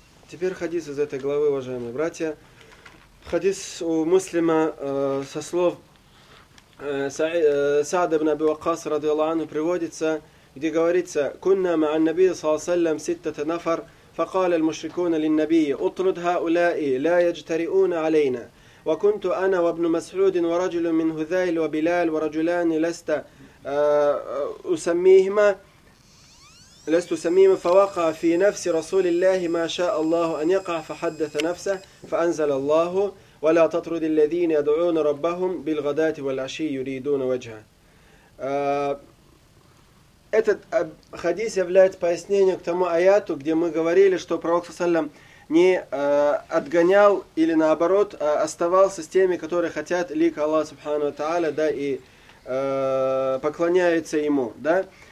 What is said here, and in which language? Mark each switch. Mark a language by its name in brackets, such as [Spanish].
[Russian] Теперь хадис из этой главы, уважаемые братья. Хадис у муслима со слов Саада ибн Аби Вакас, радиаллаху анху, приводится, где говорится: [Arabic] «Кунна маа ан-наби саллаллаху алейхи ва саллям ситтата нафар». فقال المشركون للنبي اطرد هؤلاء لا يجترئون علينا وكنت انا وابن مسعود ورجل من هذيل وبلال ورجلان لست اسميهما فوقع في نفس رسول الله ما شاء الله ان يقع فحدث نفسه فانزل الله ولا تطرد الذين يدعون ربهم بالغداة والعشي يريدون وجهه. [Russian] Этот хадис является пояснением к тому аяту, где мы говорили, что пророк саллям не отгонял или наоборот оставался с теми, которые хотят лика Аллаха субхану ва тааля, да, и поклоняются ему, да.